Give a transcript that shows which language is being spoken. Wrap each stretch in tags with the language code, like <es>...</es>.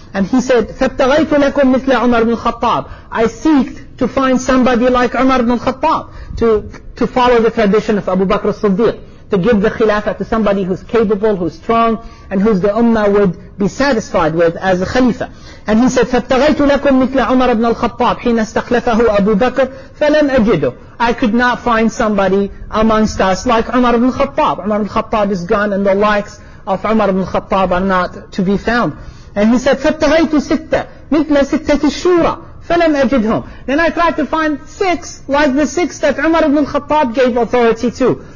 <en>And he said,</en> <ar>"فَابْتَغَيْتُ لَكُمْ مِثْلَ عُمَرْ بْنُ الْخَطَّابِ."</ar> <en>I seeked to find somebody like Umar ibn al-Khattab, to follow the tradition of Abu Bakr al-Siddiq, to give the Khilafah to somebody who's capable, who's strong, and who's the Ummah would be satisfied with as a Khalifa. And he said,</en> <ar>"فَابْتَغَيْتُ لَكُمْ مِثْلَ عُمَرْ بْنُ الْخَطَّابِ حِينَ اسْتَخْلَفَهُ أَبُو بَكْرٍ فَلَمْ أَجِدُهُ."</ar> <en>I could not find somebody amongst us like Umar ibn al-Khattab. Umar ibn al-Khattab is gone, and the likes of Umar ibn al-Khattab are not to be found. And he said,</en> <ar>"فَابْتَغَيْتُ سِتَّةً مِثْلَ سِتَّةِ الشُّورَى فَلَمْ أَجِدْهُمْ</ar> <en>Then I tried to find six, like the six that Umar ibn al-Khattab gave authority to.</en>